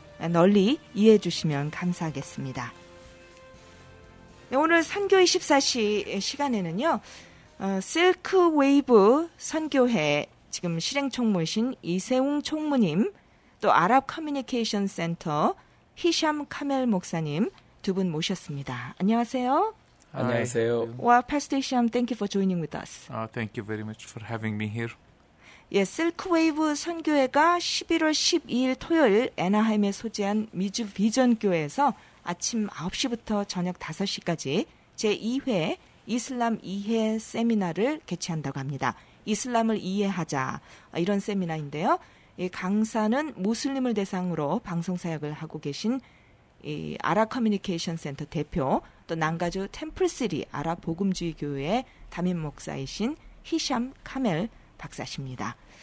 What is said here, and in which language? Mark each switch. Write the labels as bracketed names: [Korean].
[Korean] 널리 이해해 주시면 감사하겠습니다. 네, 오늘 선교 24시 시간에는요. 실크웨이브 선교회 지금 실행총무이신 이세웅 총무님, 또 아랍 커뮤니케이션 센터 히샴 카멜 목사님 두 분 모셨습니다. 안녕하세요. 안녕하세요. [English] Well, Pastor Hisham, thank you for joining with us. Thank you very much for having me here. [Korean] 예, 실크웨이브 선교회가 11월 12일 토요일 애나하임에 소재한 미주 비전 교회에서 아침 9시부터 저녁 5시까지 제2회 이슬람 이해 세미나를 개최한다고 합니다. 이슬람을 이해하자 이런 세미나인데요. 이 강사는 무슬림을 대상으로 방송 사역을 하고 계신 이 아랍 커뮤니케이션 센터 대표, 또 난가주 템플시리 아랍 복음주의 교회의 담임 목사이신 히샴 카멜 박사십니다.